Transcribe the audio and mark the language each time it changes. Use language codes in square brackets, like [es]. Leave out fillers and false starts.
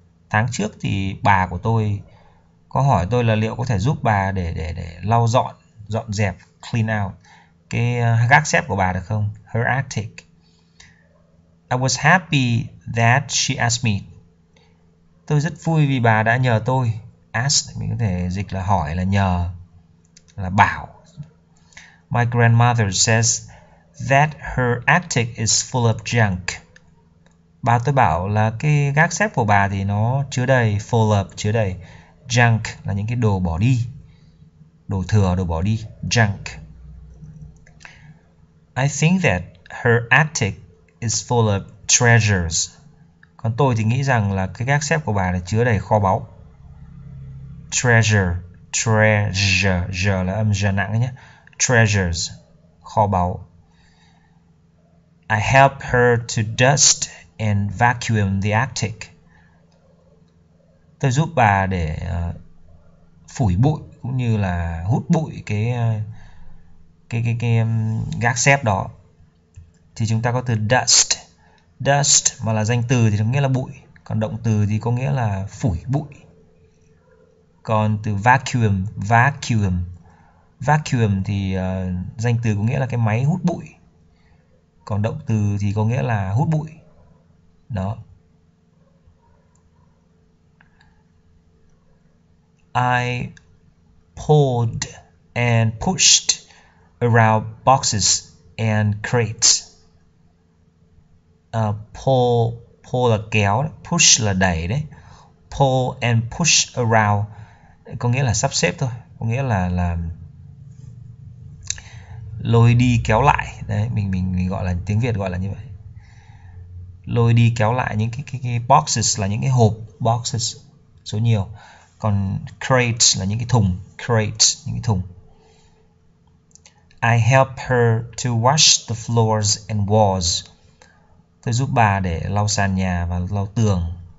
[vi] Tháng trước thì bà của tôi có hỏi tôi là liệu có thể giúp bà để lau dọn dẹp, [en] clean out [vi] cái gác xếp của bà được không? [en] Her attic. I was happy that she asked me. [vi] Tôi rất vui vì bà đã nhờ tôi. Ask, mình có thể dịch là hỏi, là nhờ, là bảo. [en] My grandmother says that her attic is full of junk. [vi] Bà tôi bảo là cái gác xếp của bà thì nó chứa đầy, [en] full of, [vi] chứa đầy. Junk là những cái đồ bỏ đi, đồ thừa, đồ bỏ đi, junk. [en] I think that her attic is full of treasures. [vi] Còn tôi thì nghĩ rằng là cái gác xếp của bà là chứa đầy kho báu. Treasure, treasure, giờ là âm giờ nặng nhé. Treasures, kho báu. [en] I help her to dust and vacuum the attic. [vi] Tôi giúp bà để phủi bụi cũng như là hút bụi cái gác xếp đó. Thì chúng ta có từ dust. Dust mà là danh từ thì nó nghĩa là bụi, còn động từ thì có nghĩa là phủi bụi. Còn từ vacuum, vacuum. Vacuum thì danh từ có nghĩa là cái máy hút bụi. Còn động từ thì có nghĩa là hút bụi. Đó. [en] I pulled and pushed around boxes and crates. [vi] Pull là kéo, push là đẩy đấy. [en] Pull and push around [vi] có nghĩa là sắp xếp thôi, có nghĩa là lôi đi kéo lại đấy, mình gọi là tiếng Việt gọi là như vậy. Lôi đi kéo lại những cái boxes là những cái hộp, boxes số nhiều. Còn crates là những cái thùng, crates, những cái thùng. [en] I help her to wash the floors and walls. [vi] Tôi giúp bà để lau sàn nhà và lau tường.